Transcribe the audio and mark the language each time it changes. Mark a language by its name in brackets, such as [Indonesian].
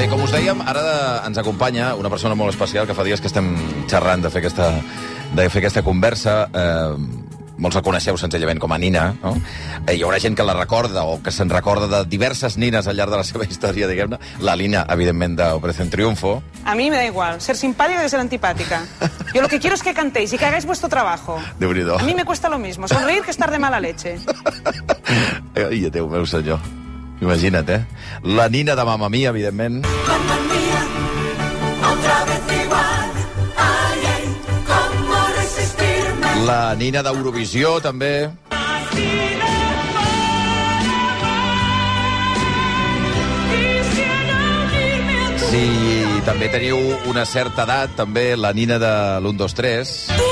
[Catalan] dèiem, ara ens acompanya una persona molt especial que fa dies que estem xerrant de fer aquesta conversa. Molts la coneixeu senzillament com a Nina, no? Hi haurà gent que la recorda o que se'n recorda de diverses Nines al llarg de la seva història, diguem-ne. La Lina, evidentment, d'Operación Triunfo. [Spanish] A mi me da igual. Ser simpática o ser antipática. Yo lo que quiero es que cantéis y que hagáis vuestro trabajo. [Catalan] Déu-n'hi-do. [Spanish] A mí me cuesta lo mismo. Sonreír que estar de mala leche. [Catalan] Ai, Déu meu senyor. Imagina't, eh? La Nina de Mamma Mia, evidentment. [Spanish] Mamma Mia, otra vez igual. Ay, ay, cómo resistirme. [Catalan] La Nina d'Eurovisió, també. Sí, també teniu una certa edat, també, la Nina de l'1-2-3.